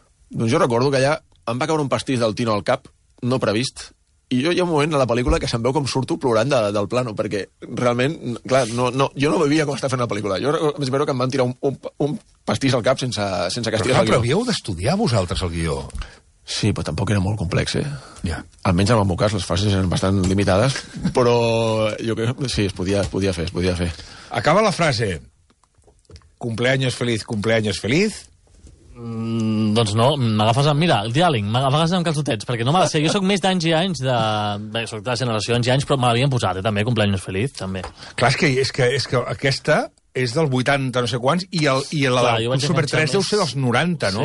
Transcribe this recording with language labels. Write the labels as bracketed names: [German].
[Catalan] Doncs jo recordo que allà em va caure un pastís del Tino al cap, no previst, i jo hi ha un moment a la pel·lícula que se'm veu com surto plorant del plano, perquè realment, clar, no, jo no veia com estava fent la pel·lícula. Jo espero que em van tirar un pastís al cap sense que estigués al guió. Però havíeu d'estudiar vosaltres el guió. Sí, però tampoc era molt complex, Ja. Almenys en el meu cas, les fases eren bastant limitades, però jo crec que sí, es podia fer. Acaba la frase. [Spanish] Cumpleaños feliz, cumpleaños feliz. [Catalan] Doncs no, m'agafes amb... Mira, el diàling, m'agafes amb calçotets, perquè no m'ha de ser. Jo sóc més d'anys i anys de... Bé, sóc de la generació anys i anys, però me l'havien posat, també, [Spanish] cumpleaños feliz, [Catalan] també. Clar, és que aquesta... És del 80, no sé quants, i el Super 3 deu ser dels 90, no?